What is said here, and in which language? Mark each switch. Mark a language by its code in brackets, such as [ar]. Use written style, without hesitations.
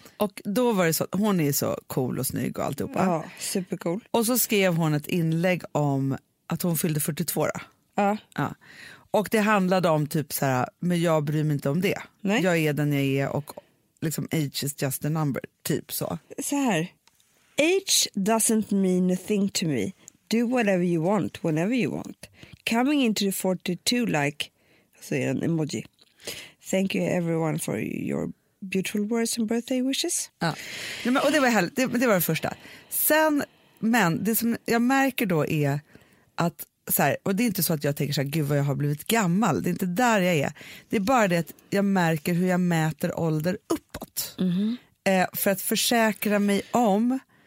[sv] Och då var det så, hon är så cool och snygg och alltihopa. Ja, supercool. Och så skrev hon ett inlägg om att hon fyllde 42 då. Ja. Och det handlade om typ så här, men jag bryr mig inte om det. Nej. Jag är den jag är och liksom [en] age is just a number, [sv] typ så. Så här. [en] Age doesn't mean a thing to me. Do whatever you want, whenever you want. Coming into the 42 like, [sv] så är en emoji. [en] Thank you everyone for your beautiful words and birthday wishes. [sv] Ja. Nej, men, och det var det var det första. Sen, men det som jag märker då är att så här, och det är inte så att jag tänker så här, gud vad jag har blivit gammal. Det är inte där jag är. Det är bara det att jag märker hur jag mäter ålder uppåt. Mm-hmm. För att försäkra mig om